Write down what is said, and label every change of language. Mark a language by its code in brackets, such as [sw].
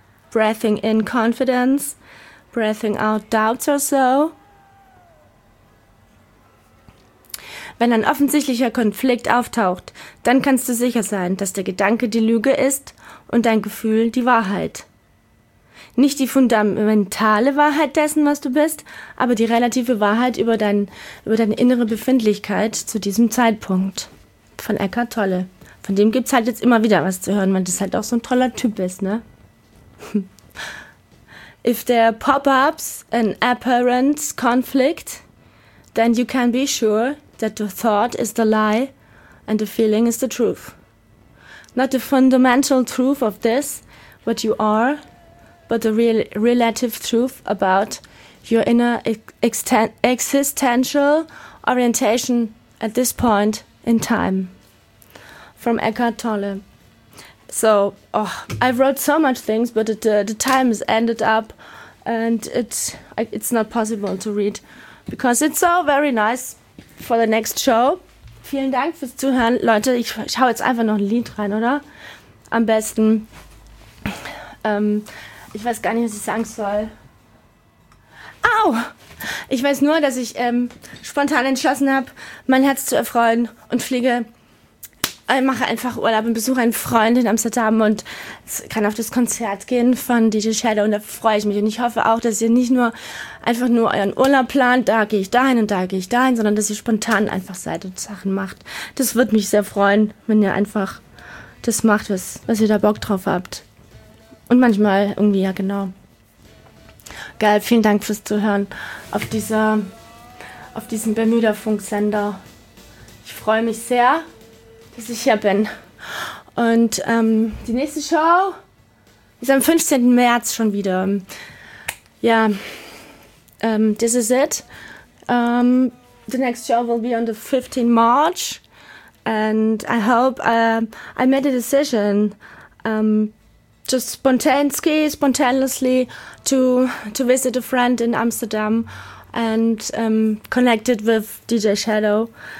[en] Breathing in confidence, breathing out doubts or so. [de] Wenn ein offensichtlicher Konflikt auftaucht, dann kannst du sicher sein, dass der Gedanke die Lüge ist und dein Gefühl die Wahrheit. Nicht die fundamentale Wahrheit dessen, was du bist, aber die relative Wahrheit über deine innere Befindlichkeit zu diesem Zeitpunkt. Von Eckhart Tolle. Von dem gibt's halt jetzt immer wieder was zu hören, weil das halt auch so ein toller Typ ist, ne? [en] If there pop-ups an apparent conflict, then you can be sure that the thought is the lie and the feeling is the truth. Not the fundamental truth of this, what you are, but the relative truth about your inner existential orientation at this point in time. From Eckhart Tolle. So, oh, I wrote so much things, but the time has ended up and it's not possible to read because it's so very nice for the next show. [de] Vielen Dank fürs Zuhören. Leute, ich schaue jetzt einfach noch ein Lied rein, oder? Am besten. Ich weiß gar nicht, was ich sagen soll. Au! Ich weiß nur, dass ich spontan entschlossen habe, mein Herz zu erfreuen und fliege. Ich mache einfach Urlaub und besuche einen Freund in Amsterdam und kann auf das Konzert gehen von DJ Shadow und da freue ich mich. Und ich hoffe auch, dass ihr nicht nur einfach nur euren Urlaub plant, da gehe ich dahin und da gehe ich dahin, sondern dass ihr spontan einfach seid und Sachen macht. Das würde mich sehr freuen, wenn ihr einfach das macht, was ihr da Bock drauf habt. Und manchmal irgendwie, ja genau. Geil, vielen Dank fürs Zuhören auf diesem Bermuda-Funksender. Ich freue mich sehr, dass ich hier bin. Und die nächste Show ist am 15. März schon wieder. Ja, [en] this is it. The next show will be on the 15th March. And I hope I made a decision. Just spontaneously to visit a friend in Amsterdam and connected with DJ Shadow.